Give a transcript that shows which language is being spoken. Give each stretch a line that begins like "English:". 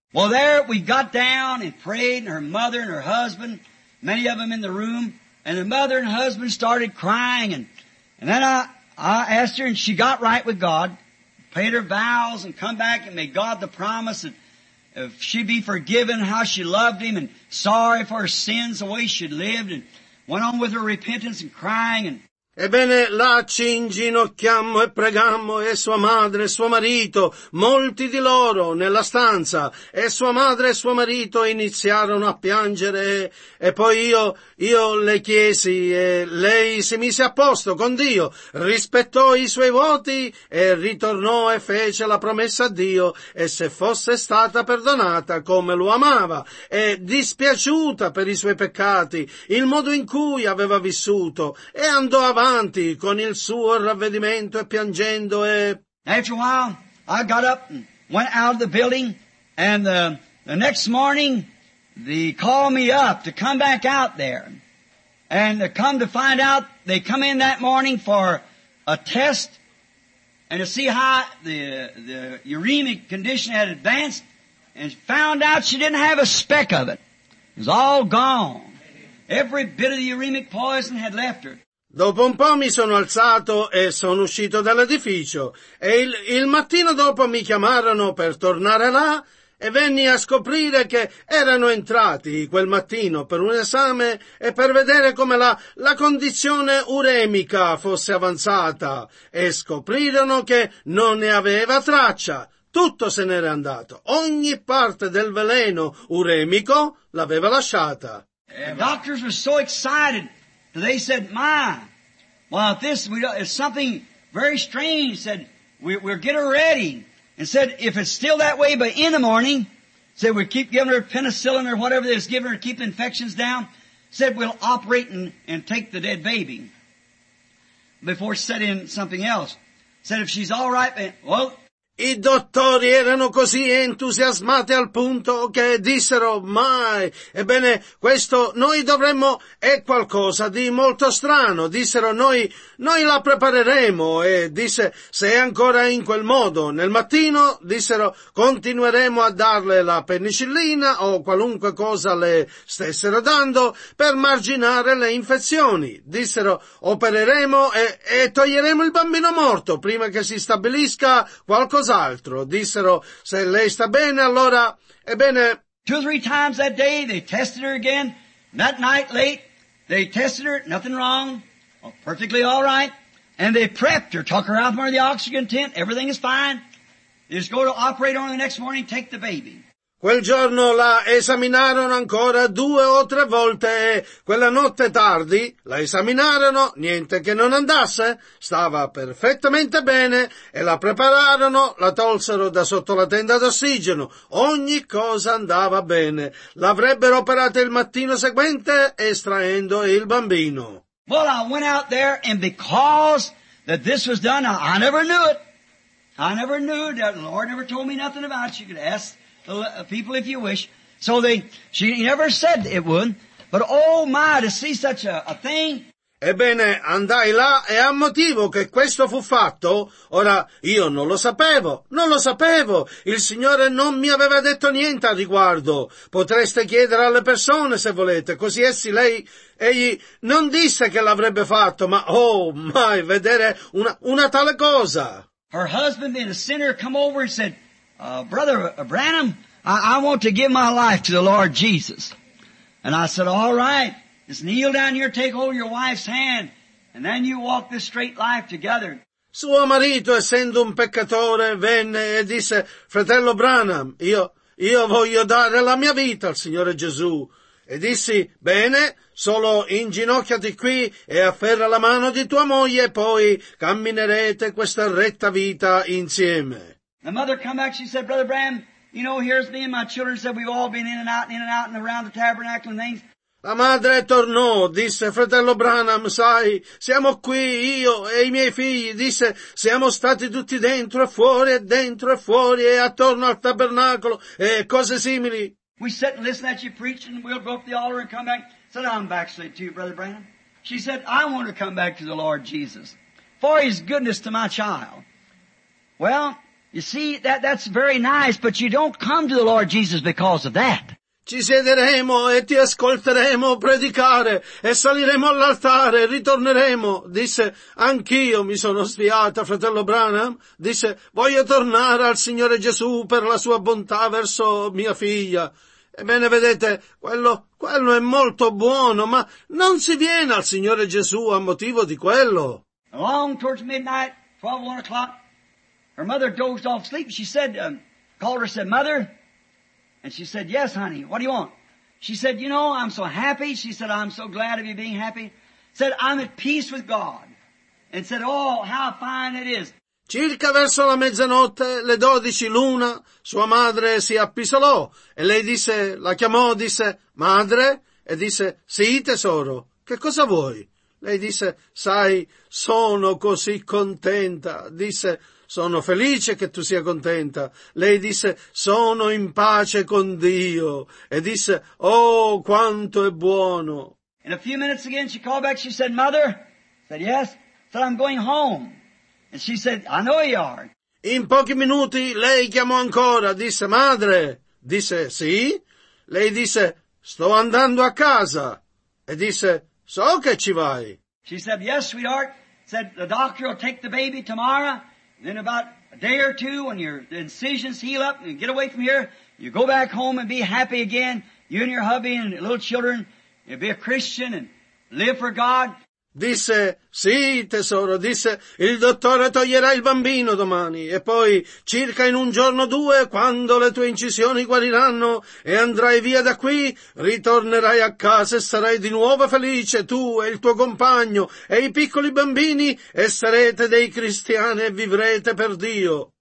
English: Well, there we got down and prayed, and her mother and her husband, many of them in the room, and the mother and husband started crying, and then I asked her, and she got right with God, paid her vows, and come back, and made God the promise that if she be forgiven, how she loved him, and sorry for her sins, the way she'd lived, and went on with her repentance and crying, and...
Italian: Ebbene, là ci inginocchiammo e pregammo, e sua madre e suo marito, molti di loro nella stanza, e sua madre e suo marito iniziarono a piangere, e poi io le chiesi, e lei si mise a posto con Dio, rispettò i suoi voti, e ritornò e fece la promessa a Dio, e se fosse stata perdonata come lo amava, e dispiaciuta per i suoi peccati, il modo in cui aveva vissuto, e andò avanti avanti con il suo ravvedimento e piangendo e...
English: After a while, I got up and went out of the building, and the next morning, they called me up to come back out there. And to come to find out, they come in that morning for a test, and to see how the uremic condition had advanced, and found out she didn't have a speck of it. It was all gone. Every bit of the uremic poison had left her.
Italian: Dopo un po' mi sono alzato e sono uscito dall'edificio e il mattino dopo mi chiamarono per tornare là e venni a scoprire che erano entrati quel mattino per un esame e per vedere come la condizione uremica fosse avanzata e scoprirono che non ne aveva traccia. Tutto se n'era andato. Ogni parte del veleno uremico l'aveva lasciata.
English: The doctors were so excited. They said, my, well, it's something very strange, said, we're getting ready. And said, if it's still that way by in the morning, said, we keep giving her penicillin or whatever they're giving her to keep infections down, said, we'll operate and take the dead baby before set in something else. Said, if she's all right, well...
Italian: I dottori erano così entusiasmati al punto che dissero mai, ebbene questo noi dovremmo, è qualcosa di molto strano, dissero noi la prepareremo e disse se è ancora in quel modo, nel mattino dissero continueremo a darle la penicillina o qualunque cosa le stessero dando per marginare le infezioni, dissero opereremo e toglieremo il bambino morto prima che si stabilisca qualcosa. Altro. Dissero, se lei sta bene, allora, ebbene...
English: Two or three times that day, they tested her again. That night, late, they tested her, nothing wrong, perfectly all right. And they prepped her, took her out from the oxygen tent, everything is fine. They just go to operate on the next morning, take the baby.
Italian: Quel giorno la esaminarono ancora due o tre volte e quella notte tardi la esaminarono, niente che non andasse, stava perfettamente bene e la prepararono, la tolsero da sotto la tenda d'ossigeno, ogni cosa andava bene, l'avrebbero operata il mattino seguente estraendo il bambino.
English: Well, I went out there and because that this was done, I never knew it, the Lord never told me nothing about it. You could ask people if you wish. So she never said it would, but oh my, to see such a thing.
Italian: Ebbene, andai là e a motivo che questo fu fatto, ora io non lo sapevo, il Signore non mi aveva detto niente a riguardo. Potreste chiedere alle persone se volete, così egli non disse che l'avrebbe fatto, ma
English: oh my,
Italian: vedere una tale cosa.
English: Her husband being a sinner come over and said, Brother Branham, I want to give my life to the Lord Jesus. And I said, all right, just kneel down here, take hold of your wife's hand, and then you walk this straight life together.
Italian: Suo marito, essendo un peccatore, venne e disse, fratello Branham, io voglio dare la mia vita al Signore Gesù. E dissi, bene, solo inginocchiati qui e afferra la mano di tua moglie, poi camminerete questa retta vita insieme.
English: The mother come back, she said, Brother Branham, you know, here's me and my children, said we've all been in and out and around the tabernacle and things.
Italian: La madre tornò, disse, fratello Branham, sai, siamo qui, io e i miei figli, disse, siamo stati tutti dentro e fuori e attorno al tabernacolo e cose simili.
English: We sit and listen at you preaching, we'll go up the altar and come back. Said, I'm backslid to you, Brother Branham. She said, I want to come back to the Lord Jesus for his goodness to my child. Well, you see, that's very nice, but you don't come to the Lord Jesus because of that.
Italian: Ci siederemo e ti ascolteremo predicare e saliremo all'altare e ritorneremo. Disse, anch'io mi sono sfiata, fratello Branham. Disse, voglio tornare al Signore Gesù per la sua bontà verso mia figlia. Ebbene, vedete, quello è molto buono, ma non si viene al Signore Gesù a motivo di quello.
English: Along towards midnight, 12:00, her mother dozed off sleep. She said, called her, said, Mother. And she said, yes, honey, what do you want? She said, you know, I'm so happy. She said, I'm so glad of you being happy. Said, I'm at peace with God. And said, oh, how fine it is.
Italian: Circa verso la mezzanotte, le 12 luna, sua madre si appisolò. E lei disse, la chiamò, disse, madre. E disse, sì, tesoro, che cosa vuoi? Lei disse, sai, sono così contenta. Disse, sono felice che tu sia contenta. Lei disse, sono in pace con Dio. E disse, oh, quanto è buono.
English: In a few minutes again, she called back, she said, Mother. I said, yes. I said, I'm going home. And she said, I know you are.
Italian: In pochi minuti, lei chiamò ancora, disse, Madre. Disse, sì. Lei disse, sto andando a casa. E disse, so che ci vai.
English: She said, yes, sweetheart. Said, the doctor will take the baby tomorrow. Then about a day or two, when the incisions heal up and you get away from here, you go back home and be happy again. You and your hubby and your little children, you'll be a Christian and live for God.
Italian: Disse, sì, tesoro, disse, il dottore toglierà il bambino domani. E poi, circa in un giorno o due, quando le tue incisioni guariranno e andrai via da qui, ritornerai a casa e sarai di nuovo felice, tu e il tuo compagno e i piccoli bambini, e sarete dei cristiani e vivrete per Dio.